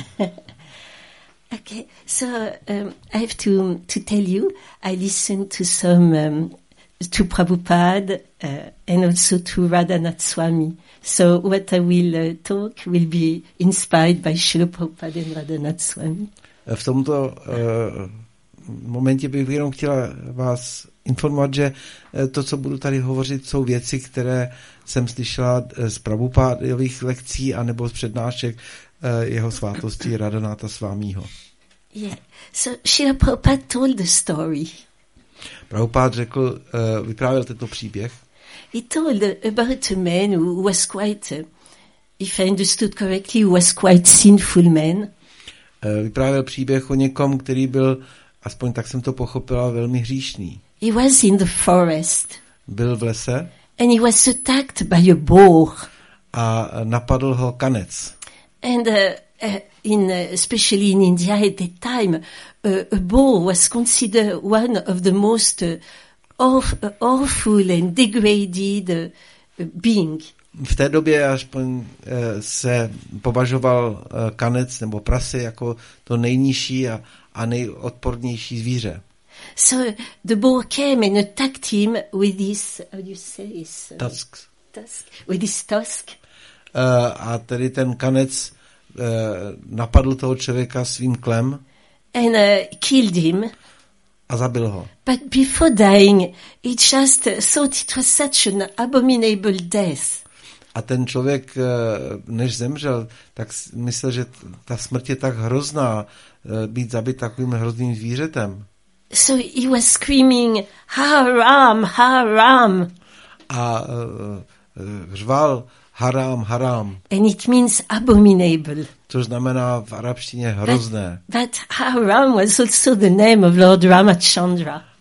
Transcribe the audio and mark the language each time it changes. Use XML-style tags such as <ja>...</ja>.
<en>Yeah. Okay, so I have to tell you, I listened to some... to Prabhupada and also to Radhanath Swami. So what I will talk will be inspired by Srila Prabhupada and Radhanath Swami.</en> <cs>V tomto momentě bych jenom chtěla vás informovat, že to, co budu tady hovořit, jsou věci, které jsem slyšela z Prabhupádových lekcí anebo z přednášek jeho svátosti Radhanatha Swamiho.</cs> <en>Yeah, so Srila Prabhupada told the story.</en> <cs>Prabhupád řekl, vyprávěl tento příběh.</cs> <en>He told about a man who was quite, if I understood correctly, was quite sinful man.</en> <cs>Vyprávěl příběh o někom, který byl, aspoň tak jsem to pochopila, velmi hříšný.</cs> <en>He was in the forest.</en> <cs>Byl v lese.</cs> <en>And he was attacked by a boar.</en> <cs>A napadl ho kanec.</cs> <en>And especially in India at that time, a boar was considered one of the most awful and degraded being.</en> <cs>V té době aspoň se považoval kanec nebo prase jako to nejnižší a nejodpornější zvíře.</cs> <en>So the boar came and attacked him with his, how do you say this? Tusk. With his tusk.</en> <cs>A tedy ten kanec napadl toho člověka svým klem.</cs> <en>And killed him.</en> <cs>A zabil ho.</cs> <en>But before dying, he just thought it was such an abominable death.</en> <cs>A ten člověk, než zemřel, tak myslel, že ta smrt je tak hrozná, být zabit takovým hrozným zvířetem.</cs> <en>So he was screaming, haram, haram.</en> <cs>A řval, haram, haram.</cs> <en>And it means abominable.</en> <cs>To znamená v arabštině hrozné.</cs> <en>But haram was also the name of Lord Ramachandra.</en>